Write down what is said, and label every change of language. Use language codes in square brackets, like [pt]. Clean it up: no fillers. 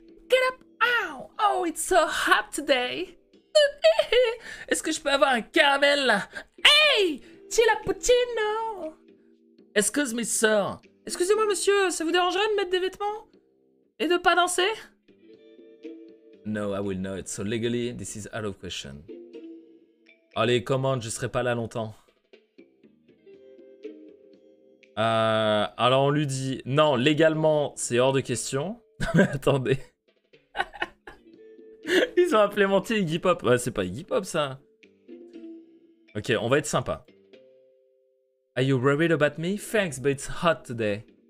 [en] Get up. Ow. Oh, it's so hot today. [fr] Est-ce que je peux avoir un caramel, là? [en] Hey, chilapuccino. Excuse me, sir. [fr] Excusez-moi, monsieur, ça vous dérangerait de mettre des vêtements? Et de pas danser? [en] No, I will not. So legally, this is out of question. [fr] Allez, commande, je serai pas là longtemps. Alors on lui dit, non, légalement, c'est hors de question. Attendez. Ils ont implémenté Iggy Pop. Ouais, c'est pas Iggy Pop, ça. Ok, on va être sympa. [en] Are you worried about me? Thanks, but it's hot today.